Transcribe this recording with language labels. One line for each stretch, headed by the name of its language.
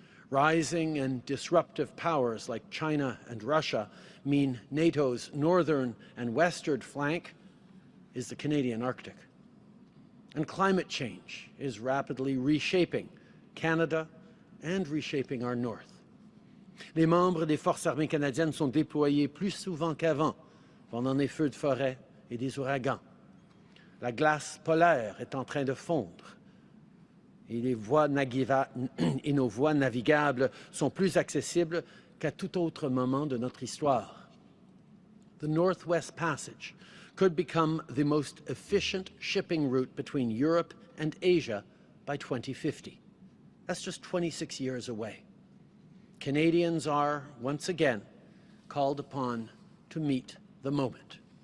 English: Rising and disruptive powers like China and Russia mean NATO's northern and western flank is the Canadian Arctic. And climate change is rapidly reshaping Canada and reshaping our north.
French: Les membres des Forces armées canadiennes sont déployés plus souvent qu'avant pendant des feux de forêt et des ouragans. La glace polaire est en train de fondre et nos voies navigables sont plus accessibles qu'à tout autre moment de notre histoire.
English: The Northwest Passage could become the most efficient shipping route between Europe and Asia by 2050. That's just 26 years away. Canadians are, once again, called upon to meet the moment.